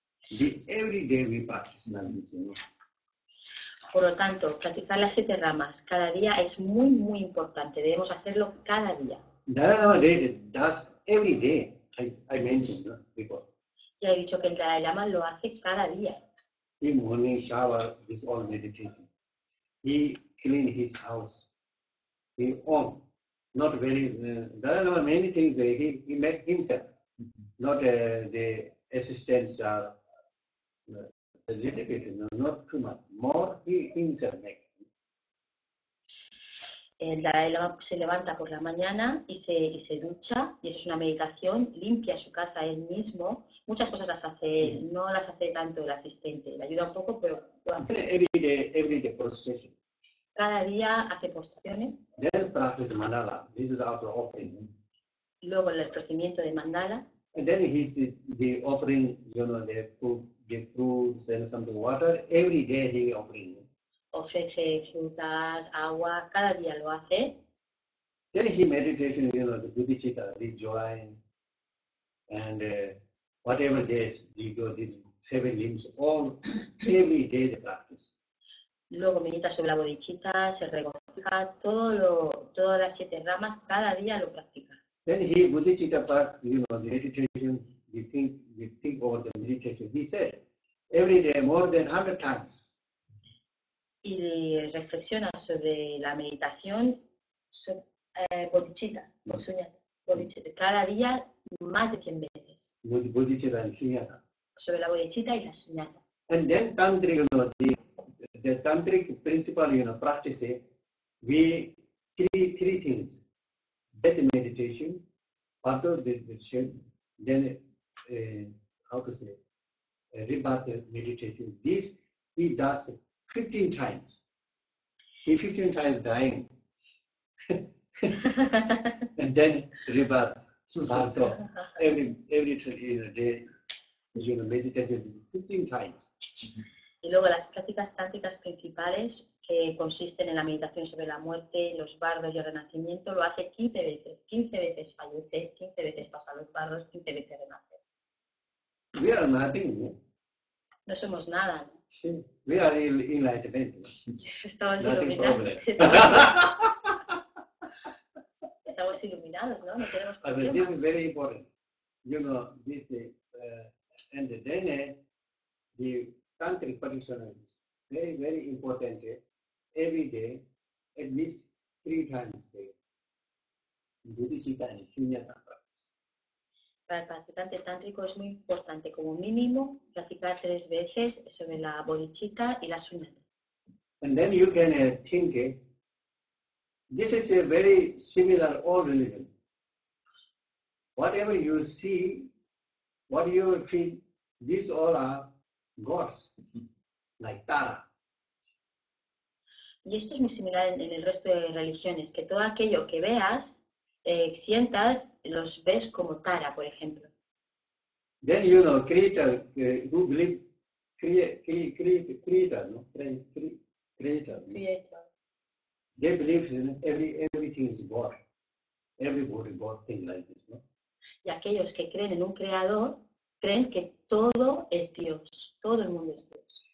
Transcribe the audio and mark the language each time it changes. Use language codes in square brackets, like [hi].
[en] Every day we practice this, you know. [es] Por lo tanto, practicar las siete ramas cada día es muy, muy importante. Debemos hacerlo cada día. [en] Dalai Lama does every day. I mentioned before. [es] Ya he dicho que el Dalai Lama lo hace cada día. [en] He morning shower is all meditation. He clean his house. He own. Not very. Dalai Lama many things he make himself. Not the assistants are a little bit, not too much. More he himself makes. [es] El Dalai Lama se levanta por la mañana y se ducha, y eso es una meditación, limpia su casa él mismo. Muchas cosas las hace él, no las hace tanto el asistente. Le ayuda un poco, pero... [en] Every day prostration. [es] Cada día hace prostraciones. [en] Then practice mandala. This is also offering. [es] Luego el procedimiento de mandala. [en] And then he's the offering, you know, the fruits and some water, every day he offering. [es] Ofrece frutas, agua, cada día lo hace. [en] Then he meditation, you know, the bodhicitta, the joy, and whatever it is, you know, the seven limbs, all, every day the practice. [es] Luego medita sobre la bodhicitta, se regocija, todas las siete ramas, cada día lo practica. [en] Then he bodhicitta part, you know, the meditation, we think over the meditation. He said every day more than 100 times. [es] Y reflexiona sobre la meditación, bodhicitta, no. Sunyata, bodhicitta, cada día más de 100 veces. [en] Bodhicitta and sunyata. [es] Sobre la bodhicitta y la sunyata. [en] And then tantric, you know, the tantric principle, you know, practice, we three things. That meditation, part of the shape, then how to say, rebirth meditation. This he does 15 times. He 15 times dying, and then rebirth, part of every day. is you're meditating 15 times. [es] Y luego las prácticas tácticas principales que consisten en la meditación sobre la muerte, los bardos y el renacimiento, lo hace 15 veces. 15 veces fallece, 15 veces pasa los bardos, 15 veces renace. [en] We are nothing, [es] ¿no? No somos nada, ¿no? Sí, [en] we are enlightenment. [es] Estamos iluminados. Estamos iluminados, ¿no? No tenemos problemas. [en] This is very important. You know, this and the Dene, the tantric practitioners, very, very important, every day, at least 3 times a day, bodhicitta and shunyata practice. [es] Para el practicante tántrico es muy importante, como mínimo, practicar 3 veces sobre la bodhicitta y la shunyata. [en] And then you can think, this is a very similar all religion. Whatever you see, what you feel, these all are gods, like Tara. [es] Y esto es muy similar en el resto de religiones, que todo aquello que veas, sientas, los ves como Tara, por ejemplo. [en] Then you know, creator, who believe, creator, no? Creator. Creator. They believe in everything is God. Everybody God thing like this, no? [es] Y aquellos que creen en un creador, creen que todo es Dios, todo el mundo es Dios.